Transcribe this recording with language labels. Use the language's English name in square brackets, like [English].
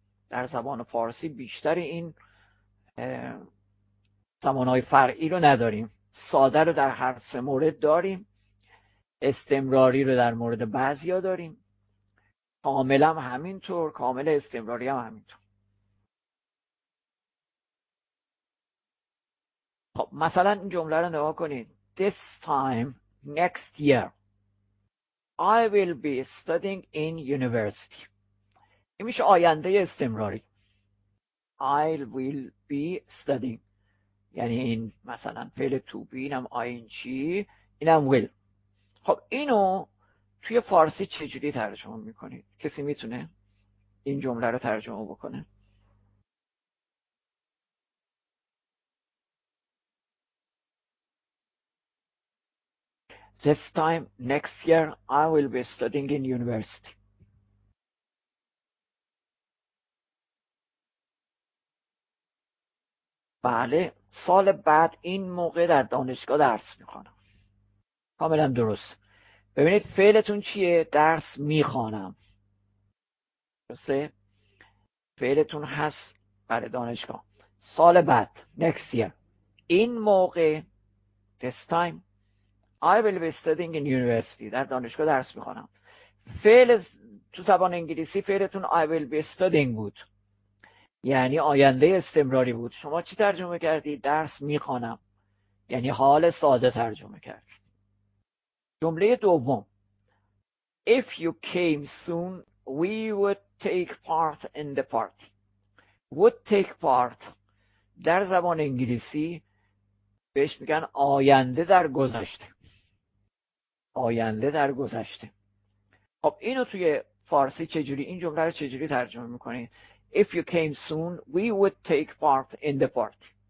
[Persian] در زبان فارسی بیشتر این زمانهای فرعی رو نداریم. ساده رو در هر سه مورد داریم، استمراری رو در مورد بعضی ها داریم، کامل هم همینطور، کامل استمراری هم همینطور. خب مثلا این جمله رو نگاه کنید، [English] This time next year I will be studying in university. [Persian] این میشه آینده استمراری. [English] I will be studying، [Persian] یعنی این مثلا فعل [English] to be، اینم ing، اینم will. [Persian] خب اینو توی فارسی چجوری ترجمه میکنید؟ کسی میتونه این جمله رو ترجمه بکنه؟ [English] This time next year I will be studying in university. [Persian] بله، سال بعد این موقع در دانشگاه درس میخوانم. کاملا درست. ببینید فعلتون چیه؟ درس میخوانم. درسته؟ فعلتون هست برای دانشگاه. سال بعد، [English] next year، [Persian] این موقع، [English] this time I will be studying in university، [Persian] در دانشگاه درس میخوانم. فعل تو زبان انگلیسی فعلتون [English] I will be studying [Persian] بود، یعنی آینده استمراری بود. شما چی ترجمه کردی؟ درس میخوانم، یعنی حال ساده ترجمه کرد. جمله دوم، [English] If you came soon we would take part in the party. Would take part [Persian] در زبان انگلیسی بهش میگن آینده در گذشته، آینده در گذشته. خب اینو توی فارسی چجوری، این جمله رو چجوری ترجمه میکنی؟ [English] If you came soon we would take part in the party.